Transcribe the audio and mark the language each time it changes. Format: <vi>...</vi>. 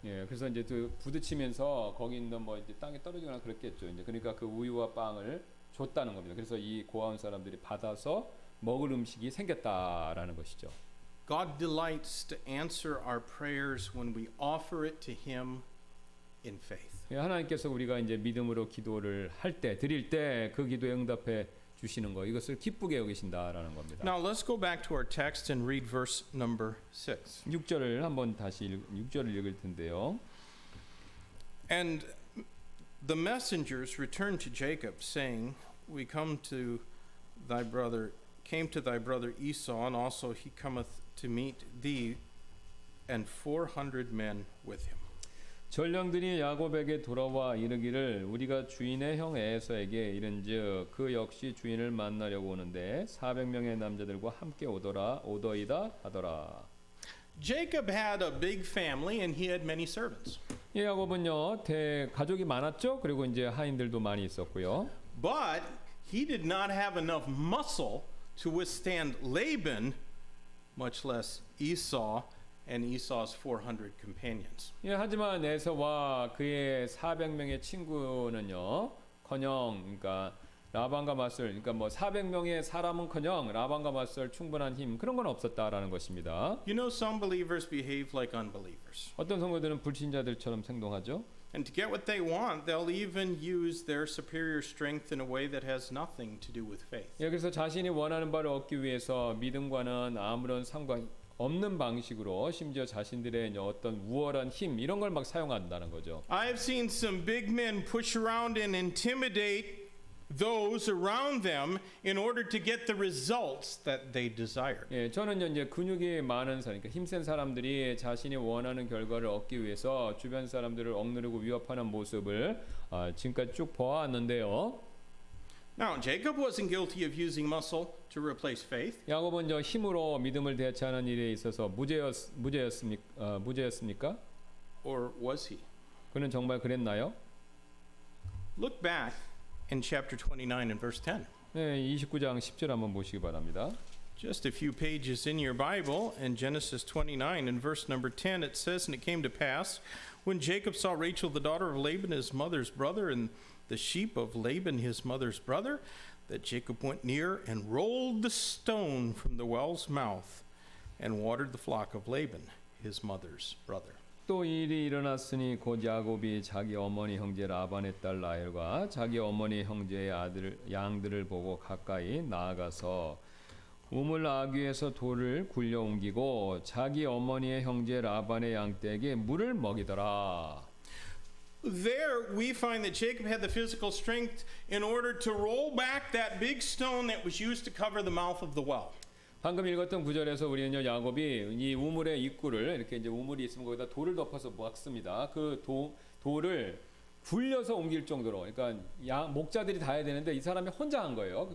<ko>예, 그래서 이제 그 부딪히면서 거기 있는 뭐 이제 땅에 떨어지거나 그랬겠죠. 이제 그러니까 그 우유와 빵을 줬다는 겁니다. 그래서 이 고함 사람들이 받아서 먹을 음식이 생겼다라는 것이죠.</ko> <en>God delights to answer our prayers when we offer it to Him in faith.</en> <ko>예, 하나님께서 우리가 이제 믿음으로 기도를 할 때, 드릴 때 그 기도에 응답해 주시는 거 이것을 기쁘게 여기신다라는 겁니다.</ko> <en>Now let's go back to our text and read verse number 6.</en> <ko>6절을 한번 다시 6절을 읽을 텐데요.</ko> <en>And the messengers returned to Jacob, saying, "We come to thy brother, came to thy brother Esau, and also he cometh to meet thee and 400 men with him."</en> <ko>전령들이 야곱에게 돌아와 이르기를 우리가 주인의 형 에서에게 이른즉 그 역시 주인을 만나려고 오는데 400명의 남자들과 함께 오더라 오더이다 하더라.</ko> <en>Jacob had a big family and he had many servants.</en> <ko>예, 야곱은요. 대 가족이 많았죠. 그리고 이제 하인들도 많이 있었고요.</ko> <en>But he did not have enough muscle to withstand Laban, much less Esau and Esau's 400 companions.</en> <ko>예, 하지만 에서와 그의 400명의 친구는요. 커녕 그러니까 라반과 맞설 그러니까 뭐 400명의 사람은 커녕 라반과 맞설 충분한 힘 그런 건 없었다라는 것입니다.</ko> <en>You know some believers behave like unbelievers.</en> <ko>어떤 성도들은 불신자들처럼 행동하죠.</ko> <en>And to get what they want, they'll even use their superior strength in a way that has nothing to do with faith.</en> <ko>예, 그래서 자신이 원하는 바를 얻기 위해서 믿음과는 아무런 상관 없는 방식으로 심지어 자신들의 어떤 우월한 힘 이런 걸 막 사용한다는 거죠.</ko> <en>I've seen some big men push around and intimidate those around them in order to get the results that they desire.</en> <ko>예, 저는요 이제 근육이 많은 사람, 그러니까 힘센 사람들이 자신이 원하는 결과를 얻기 위해서 주변 사람들을 억누르고 위협하는 모습을 지금까지 쭉 보아왔는데요.</ko> <en>Now Jacob wasn't guilty of using muscle to replace faith.</en> <ko>야곱은 저 힘으로 믿음을 대체하는 일에 있어서 무죄였습니까?</ko> <en>Or was he?</en> <ko>그는 정말 그랬나요?</ko> <en>Look back in chapter 29 and verse 10.</en> <ko>네, 29장 10절 한번 보시기 바랍니다.</ko> <en>Just a few pages in your Bible in Genesis 29 and verse number 10 it says and it came to pass when Jacob saw Rachel the daughter of Laban his mother's brother and the sheep of Laban his mother's brother that Jacob went near and rolled the stone from the well's mouth and watered the flock of Laban his mother's brother.</en> <ko>또 일이 일어났으니 곧 야곱이 자기 어머니 형제 라반의 딸 라헬과 자기 어머니 형제의 아들 양들을 보고 가까이 나아가서 우물 아귀에서 돌을 굴려 옮기고 자기 어머니의 형제 라반의 양떼에게 물을 먹이더라.</ko> <en>There we find that Jacob had the physical strength in order to roll back that big stone that was used to cover the mouth of the well.</en> <ko>방금 읽었던 구절에서 우리는요 야곱이 이 우물의 입구를 이렇게 이제 우물이 있으면 거기다 돌을 덮어서 막습니다. 그 돌을 굴려서 옮길 정도로 그러니까 목자들이 다 해야 되는데 이 사람이 혼자 한 거예요.</ko>